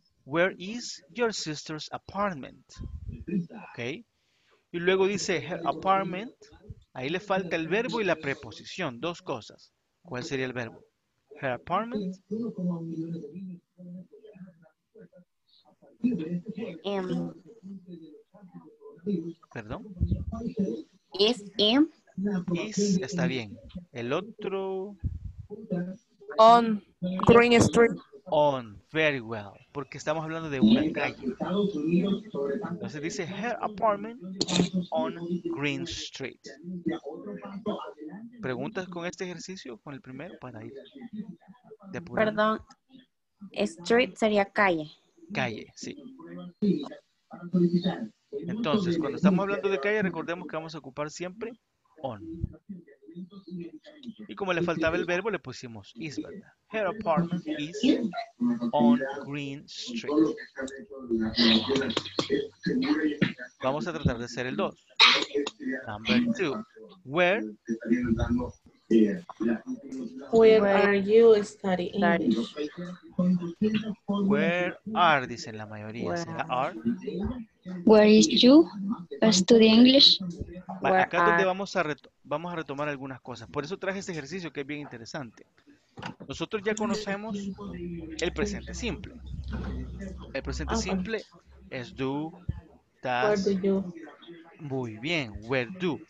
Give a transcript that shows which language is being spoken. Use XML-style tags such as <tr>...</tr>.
<en>Where is your sister's apartment? Ok.</en> <es>Y luego dice</es> <en>her apartment.</en> <es>Ahí le falta el verbo y la preposición. Dos cosas. ¿Cuál sería el verbo?</es> <en>Her apartment.</en> <es>¿Perdón?</es> <en>Is in. Is,</en> <es>está bien. El otro.</es> <en>On Green Street. On, very well.</en> <es>Porque estamos hablando de una calle. Entonces dice</es> <en>her apartment on Green Street.</en> <es>¿Preguntas con este ejercicio? ¿Con el primero? Para ir depurando. Perdón. Street sería calle. Calle, sí. Entonces, cuando estamos hablando de calle, recordemos que vamos a ocupar siempre on. Y como le faltaba el verbo, le pusimos is, ¿verdad?</es> <en>Her apartment is on Green Street.</en> <es>Vamos a tratar de hacer el 2.</es> <en>Number 2. Where? Where are you studying? Where are,</en> <es>dicen la mayoría.</es> <en>Where, are. Where is you studying English?</en> <es>Vale, acá es donde vamos a retomar algunas cosas. Por eso traje este ejercicio que es bien interesante. Nosotros ya conocemos el presente simple. El presente simple es do, does.</es> <en>Where do you?</en> <es>Muy bien,</es> <en>where do.</en>